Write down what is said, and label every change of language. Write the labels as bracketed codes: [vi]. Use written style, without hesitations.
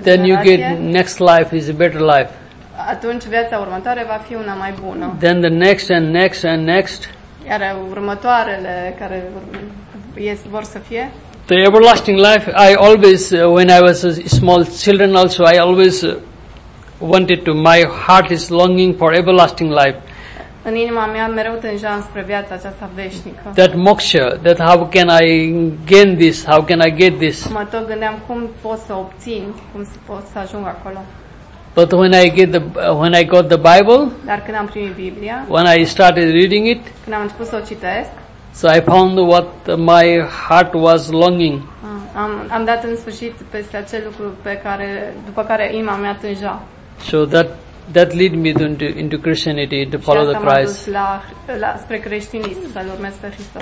[en] generație, then you get next life is a better life. [ro] Atunci viața următoare va fi una mai bună. [en] Then the next and next and next. [ro] Iar următoarele care vor să fie. [en] The everlasting life. I always, when I was a small children also, I always wanted to. My heart is longing for everlasting life. [ro] În inima mea mereu tânjeam spre viața aceasta veșnică. [en] That moksha. That how can I gain this? How can I get this? [ro] Mă tot gândeam cum pot să obțin, cum pot să ajung acolo. [en] But when I got the Bible, [ro] dar când am primit Biblia, [en] when I started reading it, [ro] când am început să o citesc, [en] so I found what my heart was longing. [ro] Am dat în sfârșit peste acel lucru pe care după care inima mea tânja. [en] So that led me into Christianity to follow the Christ. [ro] Și asta m-a dus la spre creștinism, să-l urmez pe Hristos.